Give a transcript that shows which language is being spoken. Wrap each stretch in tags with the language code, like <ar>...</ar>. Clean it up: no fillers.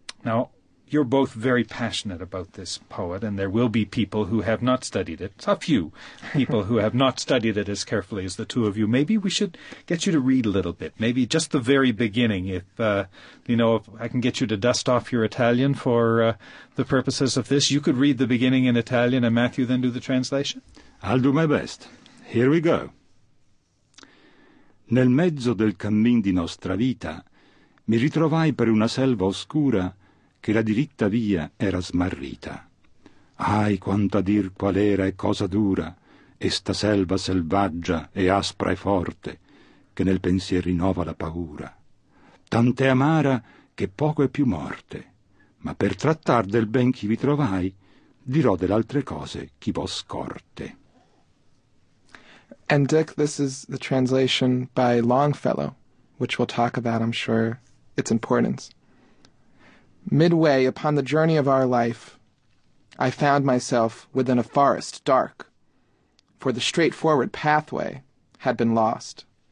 <en>Now, you're both very passionate about this poet, and there will be people who have not studied it, a few people who have not studied it as carefully as the two of you. Maybe we should get you to read a little bit, maybe just the very beginning, if I can get you to dust off your Italian for the purposes of this. You could read the beginning in Italian, and Matthew then do the translation. I'll do my best. Here we go.</en> <it>Nel mezzo del cammin di nostra vita mi ritrovai per una selva oscura che la diritta via era smarrita. Ai, quanto a dir qual era e cosa dura esta selva selvaggia e aspra e forte che nel pensier rinnova la paura. Tant'è amara che poco è più morte, ma per trattar del ben chi vi trovai dirò dell'altre cose chi vo scorte.</it> <en>And Dick, this is the translation by Longfellow, which we'll talk about, I'm sure, its importance. Midway upon the journey of our life, I found myself within a forest dark, for the straightforward pathway had been lost.</en>